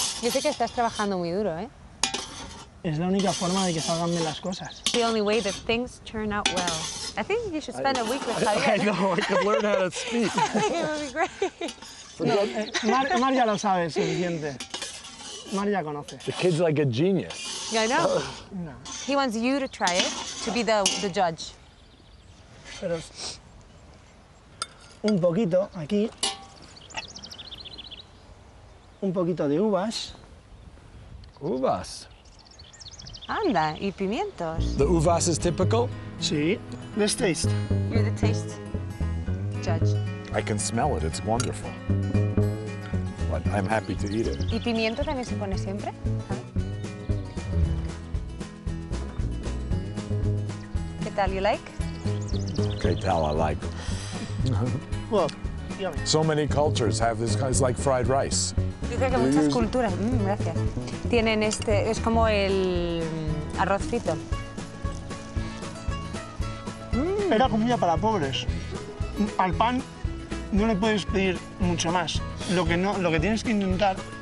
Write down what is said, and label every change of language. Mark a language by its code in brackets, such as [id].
[es] Yo sé que estás trabajando muy duro, ¿eh? Es la única forma de que salgan bien las cosas. [en] The only way that things turn out well. I think you should spend a week with Javier. I know, I could learn how to speak. I think it would be great. [es] No, Mar ya lo sabe suficiente. Mar ya conoce. [en] The kid's like a genius. Yeah, I know. He wants you to try it, to be the judge. [es] Pero un poquito aquí. Un poquito de uvas. Uvas. Anda, y pimientos. [en] The uvas is typical? Sí. Let's taste. You're the taste judge. I can smell it, it's wonderful. But I'm happy to eat it. [es] ¿Y pimiento también se pone siempre? ¿Qué tal, [en] you like? [es] ¿Qué tal, [en] I like? Well, yummy. So many cultures have this, it's like fried rice. [es] Yo creo que muchas culturas, gracias, tienen este, es como el arroz frito. Era comida para pobres. Al pan no le puedes pedir mucho más. Lo que tienes que intentar.